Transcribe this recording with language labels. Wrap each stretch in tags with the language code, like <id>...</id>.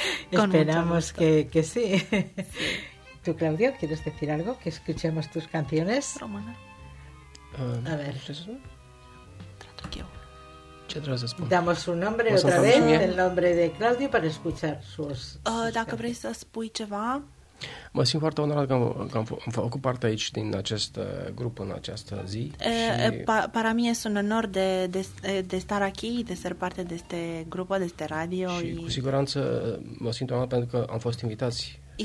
<es>Esperamos que sí. ¿Tú, Claudio, quieres decir algo? ¿Que escuchemos tus canciones?</es> <ro>Romana.</ro> <es>A ver. Muchas gracias. Damos su nombre otra vez, el nombre de Claudio, para escuchar sus</es> <ro>dacă vrei să spui ceva. Mă simt foarte onorat că am făcut parte aici din acest grup în această zi.</ro> <es>Para mí es un honor de estar aquí, de ser parte de este grupo, de este radio.</es> <ro>Și cu siguranță mă simt onorat pentru că am fost invitați.</ro>